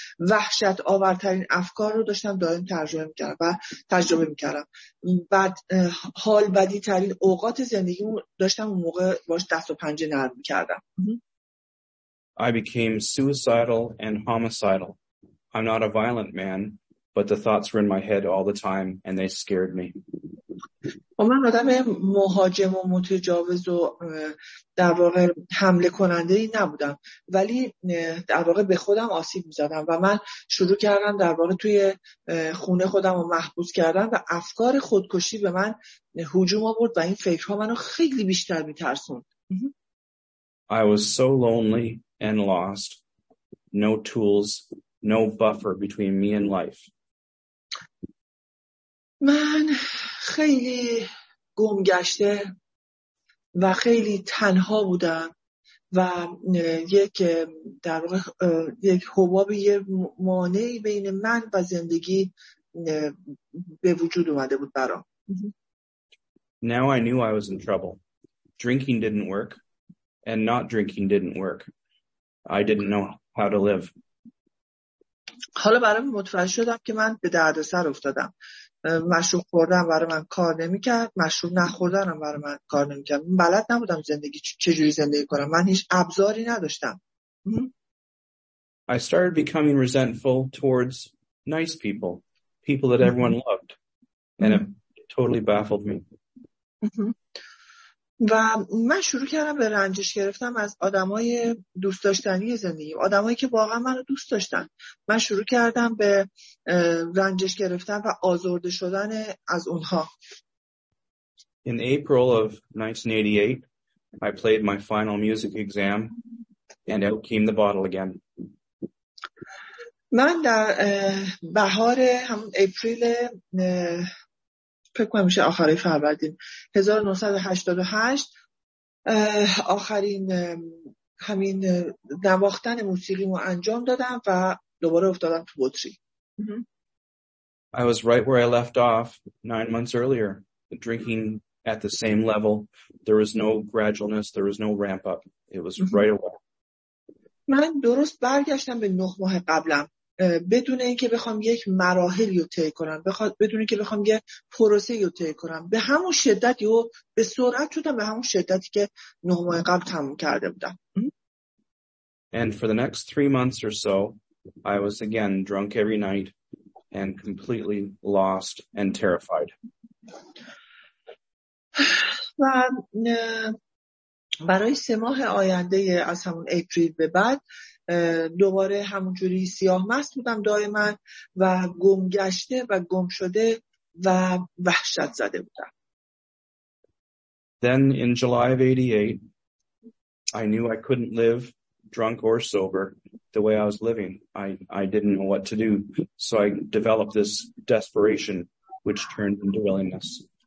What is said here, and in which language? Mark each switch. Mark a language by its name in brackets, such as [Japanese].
[Persian] وحشت آورترین افکار رو داشتم دائم تجربه میکردم. بعد حال بدی ترین اوقات زندگیم رو داشتم اون موقع باش دست و پنجه نرم میکردم. [English] I became suicidal and homicidal. I'm not a violent man, but the thoughts were in my head all the time and they scared me. [Persian] من آدم مهاجم و متجاوز و در واقع حمله کننده ای نبودم، ولی در واقع به خودم آسیب می‌زدم و من شروع کردم در واقع توی خونه خودم رو محبوس کردم و افکار خودکشی به من هجوم آورد و این فکرها منو خیلی بیشتر می‌ترسوند. [English] I was so lonely and lost. No tools, no buffer between me and life. [Persian] من خیلی گمگشته و خیلی تنها بودم و یک در واقع یک حبابی یه مانعی بین من و زندگی به وجود اومده بود برام. [English] Now I knew I was in trouble. Drinking didn't work and not drinking didn't work. I didn't know how to live. [Persian] حالا برام متوجه شدم که من به دردسر افتادم. مشروب خوردن برای من کار نمیکرد، مشروب نخوردنم برای من کار نمیکرد. من بلد نبودم زندگی چجوری زندگی کنم. من هیچ ابزاری نداشتم. [English] I started becoming resentful towards nice people, people that everyone loved, and it totally baffled me. [Persian] و من شروع کردم به رنجش گرفتم از آدمای دوست داشتنی زندگی، آدمایی که واقعا منو دوست داشتن. من شروع کردم به رنجش گرفتن و آزرده شدن از اونها. [English] In April of 1988, I played my final music exam and out came the bottle again. [Persian] من در بهار همون اپریل فکر کنم میشه آخری فروردین 1988 آخرین همین نواختن موسیقیمو انجام دادم و دوباره افتادم تو بطری. [English] I was right where I left off 9 months earlier, drinking at the same level. There was no gradualness, there was no ramp up. It was right away. [Persian] من درست برگشتم به 9 ماه قبلم بدون اینکه بخوام یک مراحلی رو طی کنم، بدون اینکه بخوام یه پروسه رو طی کنم، به همون شدتی و به سرعت شدم به همون شدتی که 9 ماه قبل تموم کرده بودم. [English] And for the next 3 months or so, I was again drunk every night and completely lost and terrified. [Persian] و برای 3 ماه آینده از همون اپریل به بعد دوباره همونجوری سیاه مست بودم دائما و گمگشته و گمشده و وحشت زده بودم. [English] Then in July of 88 I knew I couldn't live drunk or sober the way I was living. I didn't know what to do, so I developed this desperation which turned into willingness.